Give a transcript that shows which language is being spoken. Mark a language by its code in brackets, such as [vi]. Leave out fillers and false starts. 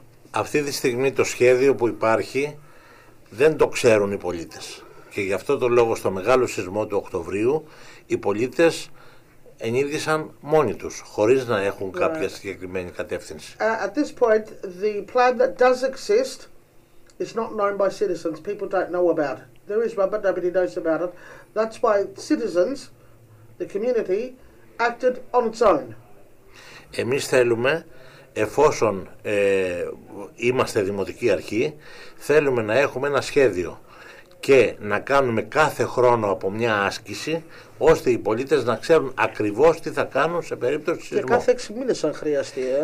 [el] Αυτή τη στιγμή το σχέδιο που υπάρχει δεν το ξέρουν οι πολίτες, και γι' αυτό το λόγο στο μεγάλο σεισμό του Οκτωβρίου οι πολίτες ενίδυσαν μόνοι τους, χωρίς να έχουν [en] right. [el] κάποια συγκεκριμένη κατεύθυνση. [en] At this point, the plan that does exist, it's not known by citizens. People don't know about it. There is one, but nobody knows about it. That's why citizens, the community, acted on its own. [el] Εμείς θέλουμε, εφόσον είμαστε δημοτική αρχή, θέλουμε να έχουμε ένα σχέδιο και να κάνουμε κάθε χρόνο από μια άσκηση, ώστε οι πολίτες να ξέρουν ακριβώς τι θα κάνουν σε περίπτωση σεισμού. Και κάθε 6 μήνες αν χρειαστεί,